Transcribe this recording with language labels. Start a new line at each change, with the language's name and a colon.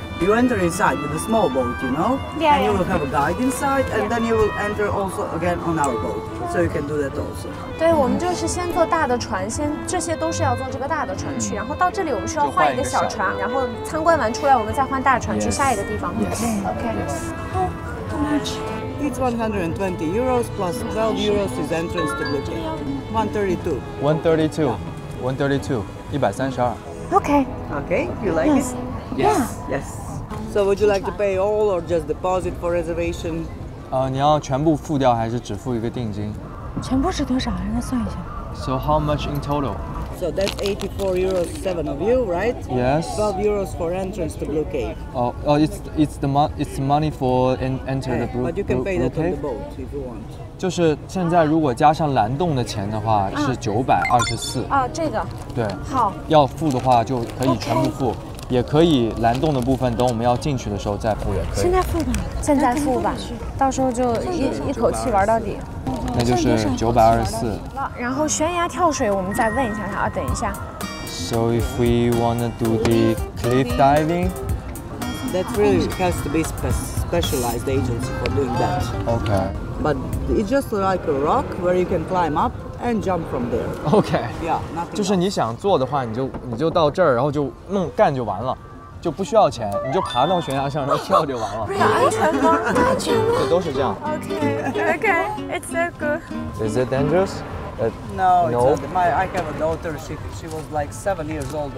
English: You enter inside with a small boat, you know? Yeah. And you will have a guide inside. And then you will enter also again on our boat. So you can do that also.
Chinese: 对，我们就是先坐大的船，先这些都是要坐这个大的船去。然后到这里，我们需要换一个小船，然后参观完出来，我们再换大船去下一个地方。
English: Okay. It's 120 euros plus 12 euros is entrance to the gate. 132. 132. Okay. Okay. You like yes. it? Yes. Yes. So would you like to pay all or just deposit for reservation?
Chinese: 你要全部付掉还是只付一个定金？全部是多少？让他算一下。
English: So how much in total? So that's 84 euros, 7 of you, right? Yes. 12 euros for entrance to Blue Cave. Oh, it's the money for enter the Blue Cave. But you can pay that on the boat if you want.
Chinese: 就是现在如果加上蓝洞的钱的话是924。啊，这个。对。好。要付的话就可以全部付。
English: Okay.
Chinese: 也可以蓝洞的部分等我们要进去的时候再付也可以，现在付吧，现在付吧，到时候就一口气玩到底，那就是924。然后悬崖跳水我们再问一下他啊，等一下。
English: So if we wanna do the cliff diving that really has to be specific specialized agents for doing that. Okay. But it's just like a rock where you can climb up and jump from there. Okay. Yeah, nothing.
Chinese: 就是你想做的话，你就到这儿，然后就弄干就完了。就不需要钱，你就爬到悬崖上，然后跳就完了。安全吗？安全吗？对，都是这样。
English: Okay, it's so good. Is it dangerous? No, no. I have a daughter. She was like 7 years old.